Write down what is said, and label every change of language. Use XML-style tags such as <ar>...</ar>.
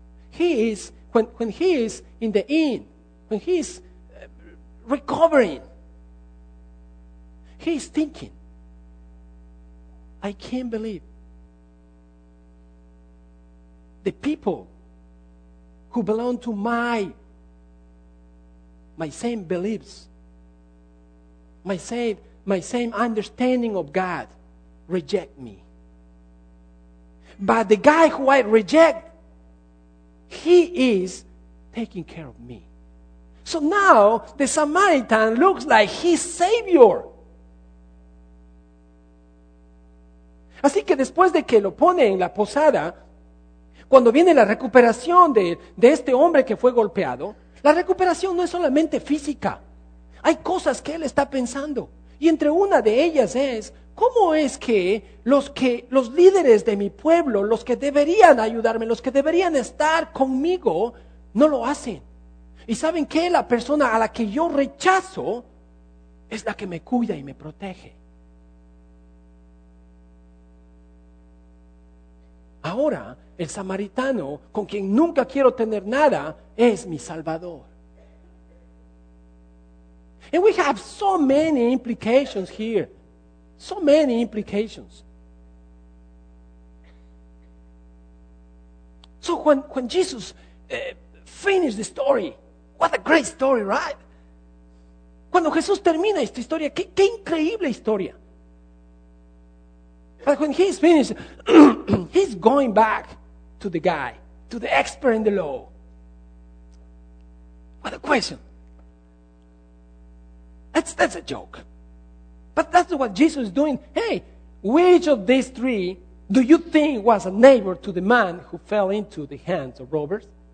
<en>He is, when he is in the inn, when he is recovering, he is thinking, I can't believe the people who belong to my same beliefs, my same understanding of God reject me. But the guy who I reject, he is taking care of me. So now the Samaritan looks like his savior.</en> <es>Así que después de que lo pone en la posada, cuando viene la recuperación de este hombre que fue golpeado, la recuperación no es solamente física. Hay cosas que él está pensando. Y entre una de ellas es, ¿cómo es que los líderes de mi pueblo, los que deberían ayudarme, los que deberían estar conmigo, no lo hacen? ¿Y saben qué? La persona a la que yo rechazo es la que me cuida y me protege. Ahora, el samaritano, con quien nunca quiero tener nada, es mi salvador.</es> <en>And we have so many implications here. So many implications. So when Jesus finished the story, what a great story, right?</en> <es>Cuando Jesús termina esta historia, qué increíble historia.</es> <en>But when he's finished, he's going back to the guy, to the expert in the law. What a question. That's a joke. But that's what Jesus is doing. Hey, which of these three do you think was a neighbor to the man who fell into the hands of robbers?</en>